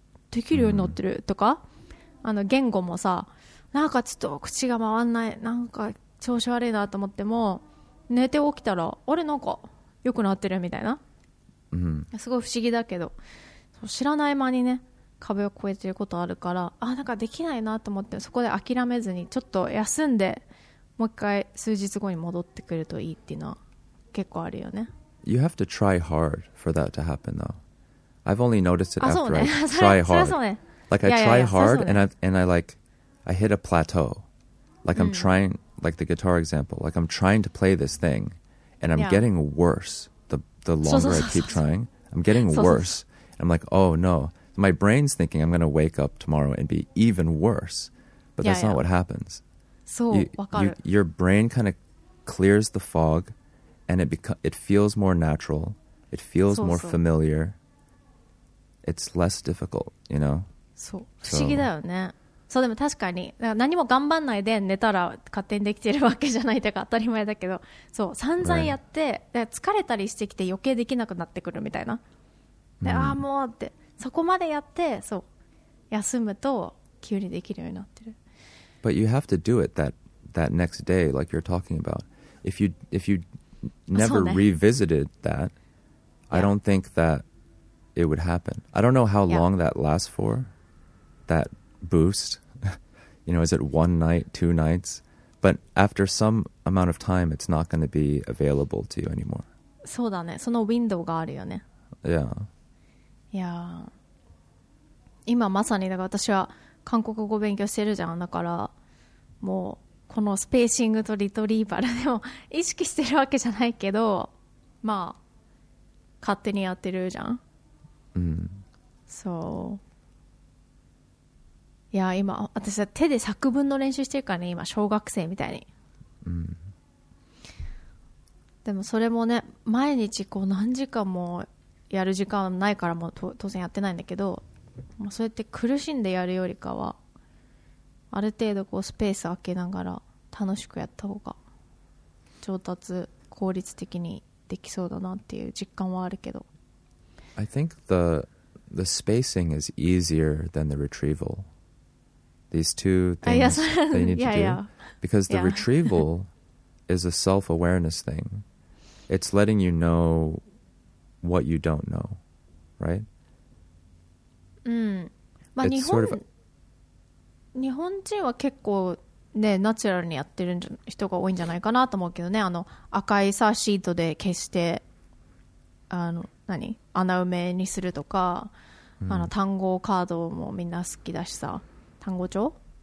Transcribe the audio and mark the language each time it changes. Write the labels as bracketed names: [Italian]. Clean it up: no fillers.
[Japanese] できるようになってるとか、あの言語もさ、なんかちょっと口が回んない、なんか調子悪いなと思っても寝て起きたらあれなんか良くなってるみたいな、うん、すごい不思議だけど、知らない間にね壁を越えてることあるから、あ、なんかできないなと思って、そこで諦めずにちょっと休んでもう一回数日後に戻ってくるといいっていうのは結構あるよね。 [English] You have to try hard for that to happen though. I've only noticed it after、 [Japanese] ね、 [English] I try hard. [Japanese] そそ、ね、 [English] like I try [Japanese] いやいや [English] hard、ね、and I hit a plateau. Like I'm、うん、trying, like the guitar example, like I'm trying to play this thing and I'm、yeah. getting worse the longer [Japanese] そうそうそうそう [English] I keep trying. I'm getting worse. [Japanese] そうそう [English] そう I'm like, oh no. My brain's thinking I'm going to wake up tomorrow and be even worse. But that's not what happens. So, your brain kind of clears the fog and it feels more natural. It feels more familiar. It's less difficult, you know? [Japanese] そう。不思議だよね。そう、でも確かに。だから何も頑張んないで寝たら勝手にできてるわけじゃないとか当たり前だけど。そう、散々やって、で、疲れたりしてきて余計できなくなってくるみたいな。で、ああ、もうって。そこまでやって、そう、休むと急にできるようになってる。 [English] But you have to do it that next day, like you're talking about. If you never、 [Japanese] ね、 [English] revisited that,、 yeah. I don't think that it would happen. I don't know how、yeah. long that lasts for, that boost. You know, is it one night, two nights? But after some amount of time, it's not going to be available to you anymore. [Japanese] そうだね。そのウィンドウがあるよね。 [English] Yeah. [Japanese] いや今まさにだから私は韓国語勉強してるじゃん。だからもうこのスペーシングとリトリーバルでも意識してるわけじゃないけど、まあ勝手にやってるじゃん。うん。そう。いや今私は手で作文の練習してるからね、今小学生みたいに。うん。でもそれもね、毎日こう何時間もやる時間ないからも当然やってないんだけど、もうそうやって苦しんでやるよりかはある程度こうスペース空けながら楽しくやった方が上達効率的にできそうだなっていう実感はあるけど、 [English] I think the spacing is easier than the retrieval. These two things yes, they need yeah, to do yeah. Because the yeah. retrieval is a self-awareness thing. It's letting you knowwhat you don't know, right? [Japanese] うん。まあ、日本人は結構ね、ナチュラルにやってる人が多いんじゃないかなと思うけどね、あの赤いさシートで消して、あの何穴埋めにするとか、うん、あの単語カードもみんな好きだしさ、単語帳、